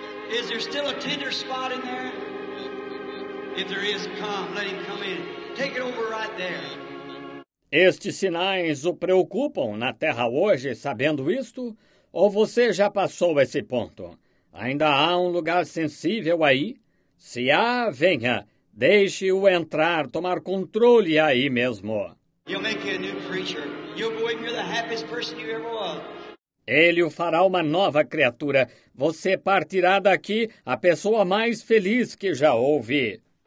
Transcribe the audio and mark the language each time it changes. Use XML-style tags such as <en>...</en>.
<en>Is there still a tender spot in there? If there is, come, let him come in. Take it over right there.</en> <pt>Estes sinais o preocupam na Terra hoje, sabendo isto? Ou você já passou esse ponto? Ainda há um lugar sensível aí? Se há, venha. Deixe-o entrar, tomar controle aí mesmo.</pt> <en>You'll make you a new creature. You'll go and you're the happiest person you ever was.</en> <pt>Ele o fará uma nova criatura. Você partirá daqui a pessoa mais feliz que já houve.</pt>